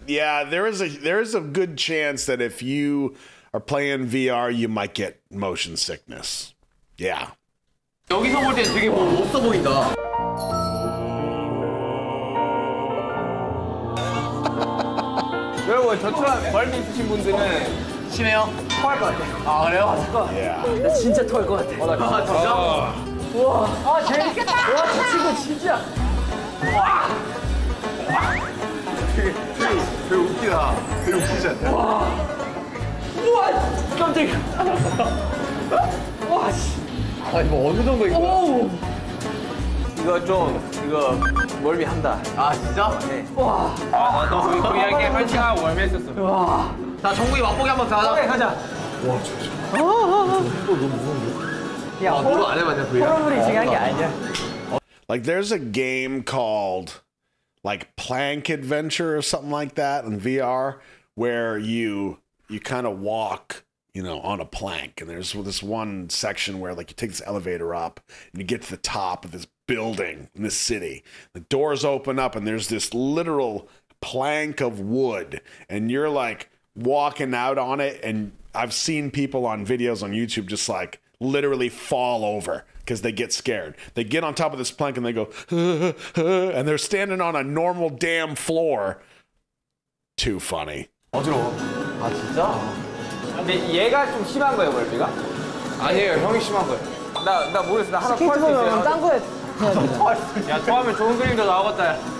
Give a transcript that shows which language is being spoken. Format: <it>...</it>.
<en>Yeah, there is a good chance that if you are playing VR, you might get motion sickness. Yeah.</en> <ko>여기서 볼 때 되게 뭐 없어 보인다. 여러분, 저처럼 멀미 있으신 분들은 심해요? 토할 것 같아요. 아, 그래요? 맞을 나 진짜 토할 것 같아. 나 진짜? 진짜? 우와. 아, 재밌겠다. 와, 저 친구 진짜. 와. 되게 웃기다. 되게 웃기지 않나? 와. 우와. 깜짝이야. 와, 씨. 아, 이거 어느 정도인가? 오. 이거 좀, 이거. 멀미한다. 아 진짜? 네. 와. 아, 너 VR게 펼치가 멀미했었어. 와. 나 정국이 맛보기 한번 가자. 오케이, 가자. 와, 저거 너무 무서운데? 야, 너 안 해봤냐, VR? 호러물이 중요한 게 아니야.</ko> <en>Like, there's a game called, like, Plank Adventure or something like that in VR, where you kind of walk. You know, on a plank, and there's this one section where, like, you take this elevator up, and you get to the top of this building in this city. The doors open up, and there's this literal plank of wood, and you're like walking out on it. And I've seen people on videos on YouTube just like literally fall over because they get scared. They get on top of this plank, and they go, and they're standing on a normal damn floor. Too funny.</en> <ko>어지러워. 아 진짜? 근데 얘가 좀 심한 거예요, 멀비가? 아니에요, 형이 심한 거예요. 나 모르겠어, 나 하나 스케이트보드 딴 거에 해야 돼. 야, 토하면 좋은 그림도 나오겠다.</ko>